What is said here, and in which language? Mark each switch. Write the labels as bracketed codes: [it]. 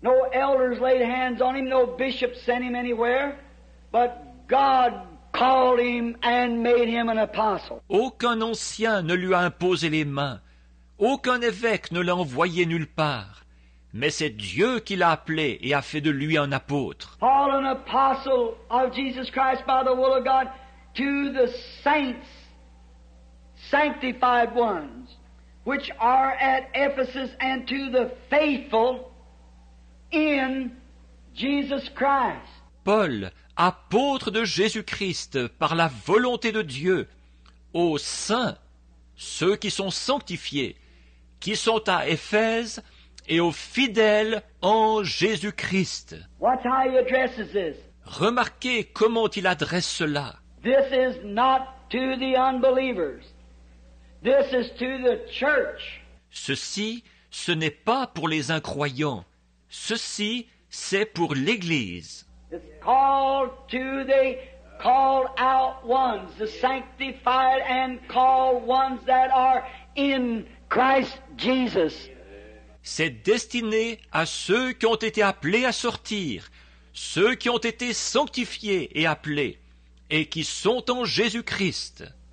[en] No elders laid hands on him, no bishop sent him anywhere, but God called him and made him an apostle. [fr] Aucun ancien ne lui a imposé les mains. Aucun évêque ne l'a envoyé nulle part. Mais c'est Dieu qui l'a appelé et a fait de lui un apôtre. [en] Paul, an apostle of Jesus Christ by the will of God, to the saints, sanctified ones, which are at Ephesus, and to the faithful in Jesus Christ. [fr] Paul, apôtre de Jésus-Christ par la volonté de Dieu, aux saints, ceux qui sont sanctifiés, qui sont à Éphèse, et aux fidèles en Jésus-Christ. [en] Watch how he addresses this. [fr] Remarquez comment il adresse cela. [en] This is not to the unbelievers. This is to the church. [fr] Ceci, ce n'est pas pour les incroyants. Ceci, c'est pour l'Église. [en] It's called to the called out ones, the sanctified and called ones that are in Christ Jesus. [fr] C'est destiné à ceux qui ont été appelés à sortir, ceux qui ont été sanctifiés et appelés, et qui sont en Jésus-Christ.